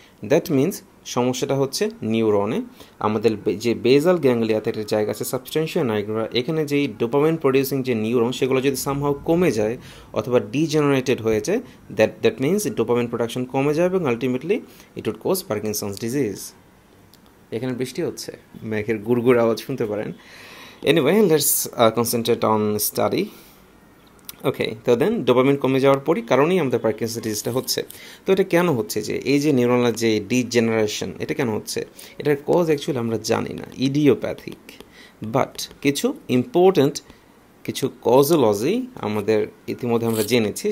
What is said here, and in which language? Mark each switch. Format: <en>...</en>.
<bn>That means সমস্যাটা হচ্ছে নিউরনে। আমাদের যে বেজাল গ্যাংলিয়াতে একটা জায়গা আছে সাবস্টেন্সিয়া নাইগ্রা, এখানে যেই ডোপামিন প্রডিউসিং যে নিউরন, সেগুলো যদি সামহাও কমে যায় অথবা ডিজেনারেটেড হয়ে যায়, দ্যাট মিন্স ডোপামিন প্রোডাকশন কমে যায় এবং</bn> <en>Ultimately it would cause Parkinson's disease.</en> <bn>এখানে বৃষ্টি হচ্ছে, মেঘের গুড়গুড় আওয়াজ শুনতে পারেন।</bn> <en>Anyway, let's concentrate on study. Okay, so then</en> <bn>dopamine কমে যাওয়ার পরই কারণেই আমাদের পার্কিনসন ডিজিজটা হচ্ছে। তো এটা কেন হচ্ছে, যে এই যে নিউরনাল যে ডিজেনারেশন, এটা কেন হচ্ছে? এটার কজ অ্যাকচুয়ালি আমরা জানি না, ইডিওপ্যাথিক। বাট কিছু ইম্পর্ট্যান্ট কিছু কজোলজি আমাদের ইতিমধ্যে আমরা জেনেছি।</bn>